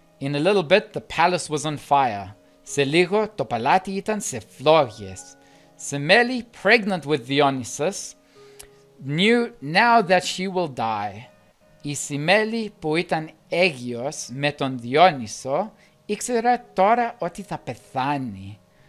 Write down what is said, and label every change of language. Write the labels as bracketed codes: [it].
[en] In a little bit the palace was on fire. [el] Σε λίγο το παλάτι ήταν σε φλόγες. [en] Semele, pregnant with Dionysus, knew now that she will die. [el] Η Semele που ήταν έγιος με τον Διόνυσο ήξερε τώρα ότι θα πεθάνει.